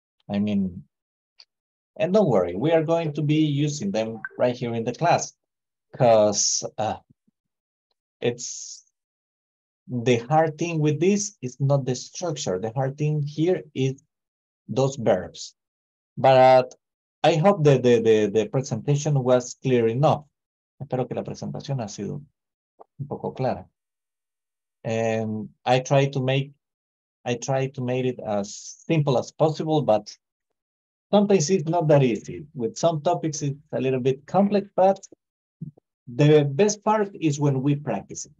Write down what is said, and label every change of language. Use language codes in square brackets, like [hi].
[en] I mean, and don't worry, we are going to be using them right here in the class because it's the hard thing with this is not the structure. The hard thing here is those verbs. But I hope that the presentation was clear enough. [es] Espero que la presentación ha sido un poco clara. [en] And I try to make it as simple as possible, but sometimes it's not that easy. With some topics, it's a little bit complex, but the best part is when we practice it.